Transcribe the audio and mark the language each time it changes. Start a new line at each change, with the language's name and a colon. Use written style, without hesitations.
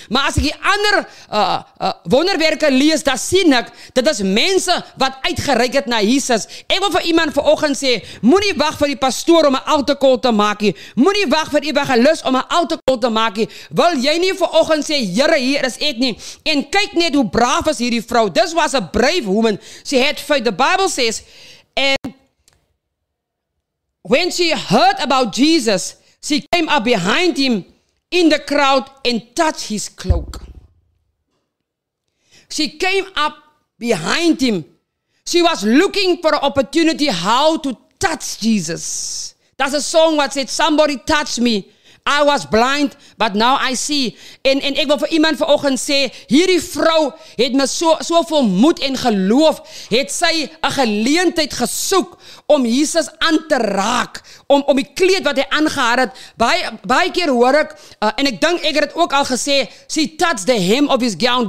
Afrikaans: Maar as ek die ander wonderwerke lees, dan sien ek, dit is mense wat uitgereik het na Jesus. Ek wil vir iemand vanoggend sê, moenie wag vir die pastoor om 'n altar call te maak nie. Moenie wag vir evangelis om 'n altar call te maak nie. Wil jy nie vanoggend sê, Here, hier is ek nie. En kyk net hoe braaf is hierdie vrou.
English: This was a brave woman. She had faith. The Bible says, and when she heard about Jesus, she came up behind him in the crowd and touched his cloak. She came up behind him. She was looking for an opportunity how to touch Jesus. That's a song that said, somebody touch me. I was blind, but now I see.
Afrikaans: En ek wil vir iemand vanoggend sê, hierdie vrou het met soveel moed en geloof, het sy 'n geleentheid gesoek om Jesus aan te raak, om die kleed wat hy aangehad het. Baie keer hoor ek, en ek dink ek het dit ook al gesê,
English: she touched the hem of his gown.